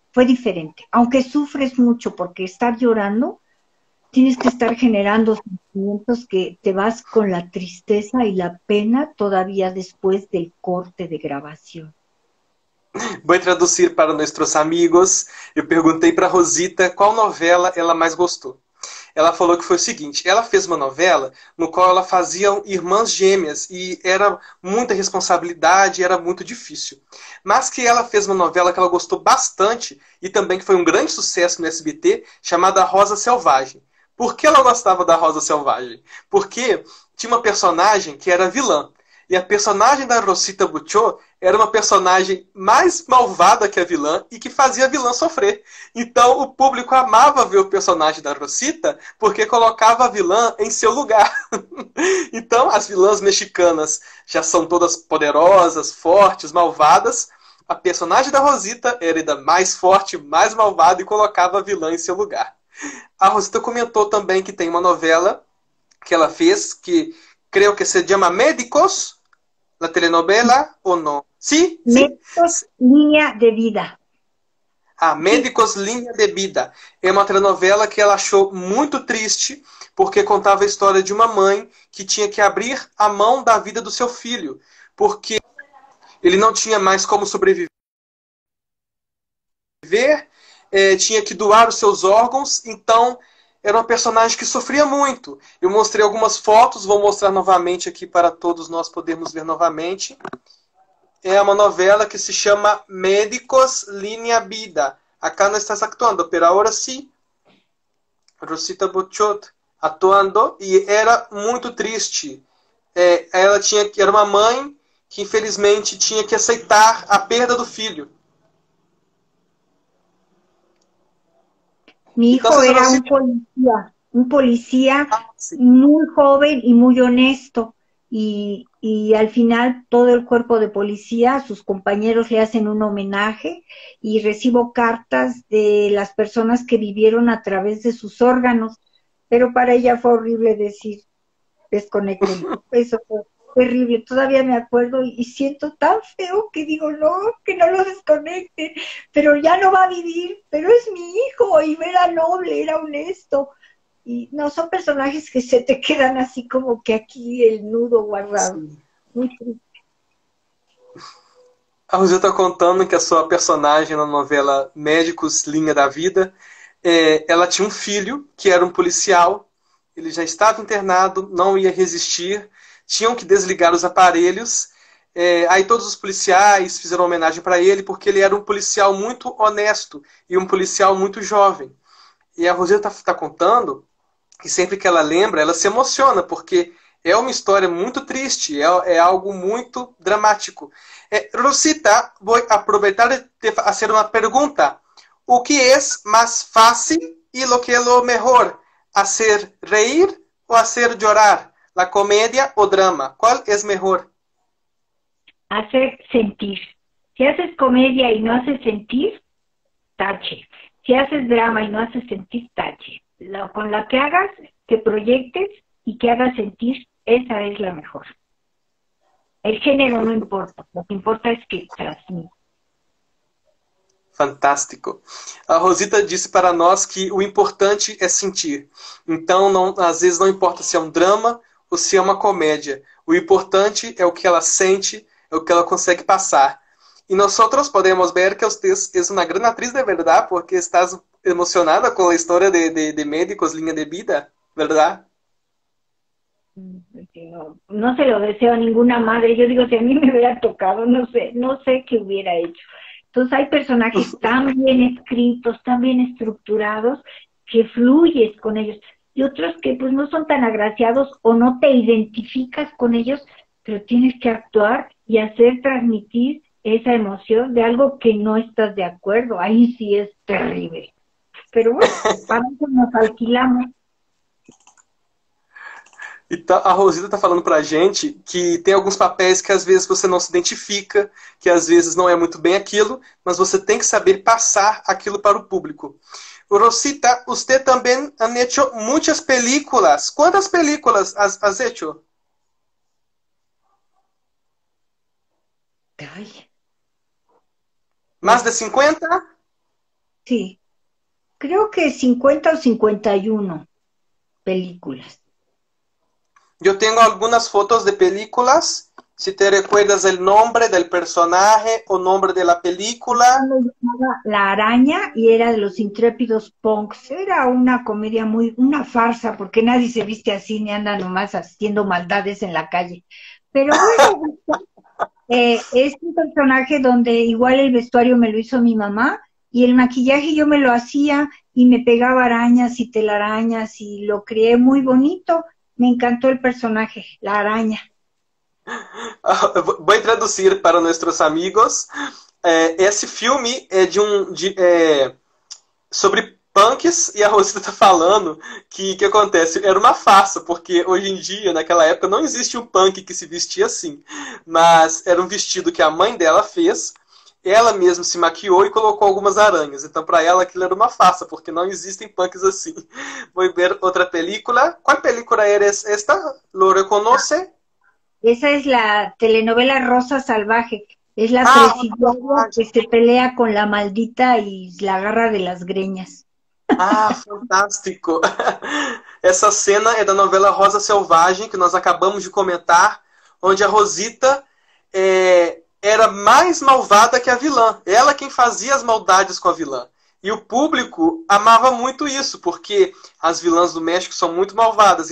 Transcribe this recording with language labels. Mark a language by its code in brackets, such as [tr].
[es] Fue diferente, aunque sufres mucho porque estar llorando, tienes que estar generando sentimientos que te vas con la tristeza y la pena todavía después del corte de grabación. Voy a traducir para nuestros amigos. [pt] Eu perguntei para Rosita qual novela ela mais gostou. Ela falou que foi o seguinte, ela fez uma novela no qual ela fazia irmãs gêmeas e era muita responsabilidade, era muito difícil. Mas que ela fez uma novela que ela gostou bastante e também que foi um grande sucesso no SBT, chamada Rosa Selvagem. Por que ela gostava da Rosa Selvagem? Porque tinha uma personagem que era vilã. E a personagem da Rosita Buchó era uma personagem mais malvada que a vilã e que fazia a vilã sofrer. Então o público amava ver o personagem da Rosita porque colocava a vilã em seu lugar. Então as vilãs mexicanas já são todas poderosas, fortes, malvadas. A personagem da Rosita era ainda mais forte, mais malvada e colocava a vilã em seu lugar. A Rosita comentou também que tem uma novela que ela fez que... [es] Creo que se llama Médicos, la telenovela, ¿o no? ¿Sí? Médicos, sí. Línea de Vida. Ah, Médicos, sí. Línea de Vida. [pt] É uma telenovela que ela achou muito triste, porque contava a história de uma mãe que tinha que abrir a mão da vida do seu filho, porque ele não tinha mais como sobreviver, tinha que doar os seus órgãos, então... Era uma personagem que sofria muito. Eu mostrei algumas fotos, vou mostrar novamente aqui para todos nós podermos ver novamente. É uma novela que se chama Médicos Línea Vida. [es] Acá no estás actuando, pero ahora sí. [pt] Rosita Bochot atuando. E era muito triste. Ela tinha que era uma mãe que infelizmente tinha que aceitar a perda do filho. [es] Mi hijo era un policía muy joven y muy honesto, y al final todo el cuerpo de policía, sus compañeros le hacen un homenaje y recibo cartas de las personas que vivieron a través de sus órganos, pero para ella fue horrible decir, desconecten, eso fue terrible, todavía me acuerdo y siento tan feo que digo, no, que no lo desconecten, pero ya no va a vivir, pero es mi hijo y era noble, era honesto. Y no, son personajes que se te quedan así como que aquí el nudo guardado. Sí. Muy triste. [pt] A Rosita está contando que a sua personagem na novela Médicos Linha da Vida, ela tinha filho que era policial, ele já estava internado, não ia resistir, tinham que desligar os aparelhos, aí todos os policiais fizeram homenagem para ele, porque ele era policial muito honesto e policial muito jovem. E a Rosita está contando que sempre que ela lembra, ela se emociona, porque É uma história muito triste, é algo muito dramático. Rosita, vou aproveitar e fazer uma pergunta. O que é mais fácil e o que é o melhor? [es] Hacer reír ou hacer llorar? La comedia o drama? [pt] Qual é melhor? [es] Hacer sentir. Si haces comedia y no haces sentir, tache. Si haces drama y no haces sentir, tache. Con la que hagas, que proyectes y que hagas sentir, esa es la mejor. El género no importa, lo que importa es que transmita. [pt] Fantástico. A Rosita disse para nós que o importante é sentir. Então, não, às vezes não importa se é um drama ou se é uma comédia. O importante é o que ela sente, é o que ela consegue passar. E nós outros podemos ver que você é uma grande atriz, de verdade, porque estás emocionada com a história de médicos, linha de vida, verdade? [es] No se lo deseo a ninguna madre. Yo digo, si a mí me hubiera tocado, no sé qué hubiera hecho. Entonces hay personajes tan bien escritos, tan bien estructurados, que fluyes con ellos. Y otros que pues no son tan agraciados o no te identificas con ellos, pero tienes que actuar y hacer transmitir esa emoción de algo que no estás de acuerdo. Ahí sí es terrible. Pero bueno, para eso nos alquilamos. [pt] Então, a Rosita está falando para a gente que tem alguns papéis que às vezes você não se identifica, que às vezes não é muito bem aquilo, mas você tem que saber passar aquilo para o público. Rosita, você também [es] ha hecho [pt] muitas películas. Quantas [es] películas has hecho? Ay, [pt] Mais de 50? [es] sí, creo que 50 o 51 películas. Yo tengo algunas fotos de películas. Si te recuerdas el nombre del personaje o nombre de la película. La araña y era de los intrépidos punks. Era una comedia una farsa, porque nadie se viste así ni anda nomás haciendo maldades en la calle. Pero bueno, es un personaje donde igual el vestuario me lo hizo mi mamá y el maquillaje yo me lo hacía y me pegaba arañas y telarañas y lo creé muy bonito. Me encantó el personaje, la araña. [pt] Vou traduzir para nossos amigos. Esse filme é sobre punks e a Rosita está falando que acontece. Era uma farsa, porque hoje em dia, naquela época, não existe um punk que se vestia assim. Mas era um vestido que a mãe dela fez. Ela mesma se maquiou e colocou algumas aranhas. Então, para ela, aquilo era uma farsa, porque não existem punks assim. Vou ver outra película. Qual película era esta? [es] Lo reconoce? Esa es la telenovela Rosa Salvaje, es la Ah, presidiaria que se pelea con la maldita y la agarra de las greñas. [pt] fantástico. Essa cena é da novela Rosa Selvagem, que nós acabamos de comentar, onde a Rosita era mais malvada que a vilã. Ela quem fazia as maldades com a vilã. E o público amava muito isso, porque as vilãs do México são muito malvadas.